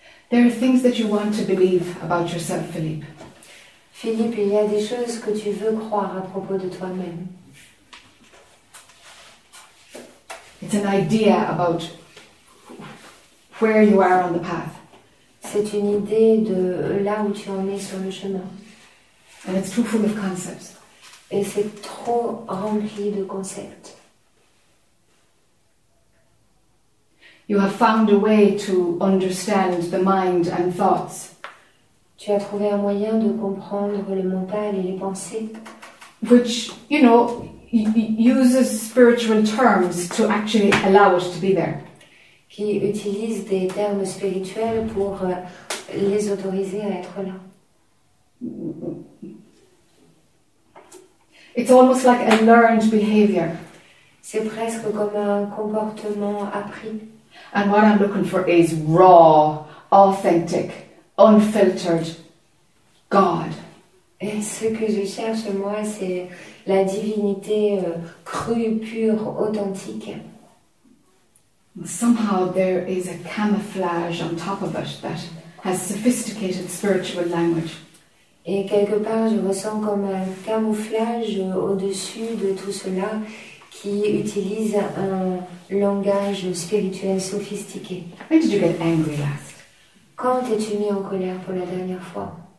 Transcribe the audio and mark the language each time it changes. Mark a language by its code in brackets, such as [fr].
[en] There are things that you want to believe about yourself, Philippe. [fr] Philippe, il y a des choses que tu veux croire à propos de toi-même. [en] It's an idea about where you are on the path. [fr] C'est une idée de là où tu en es sur le chemin. [en] And it's too full of concepts. [fr] Et c'est trop rempli de concepts. [en] You have found a way to understand the mind and thoughts. [fr] Tu as trouvé un moyen de comprendre le mental et les pensées. [en] Which, you know, uses spiritual terms to actually allow it to be there. [fr] Qui utilise des termes spirituels pour les autoriser à être là. [en] It's almost like a learned behavior. [fr] C'est presque comme un comportement appris. [en] And what I'm looking for is raw, authentic, unfiltered God. [fr] Et ce que je cherche, moi, c'est la divinité crue, pure, authentique. [en] Somehow there is a camouflage on top of it that has sophisticated spiritual language. [fr] Et quelque part, je ressens comme un camouflage au-dessus de tout cela qui utilise un langage spirituel sophistiqué. [en] When did you get angry last? [fr] Quand t'es-tu mis en colère pour la dernière fois?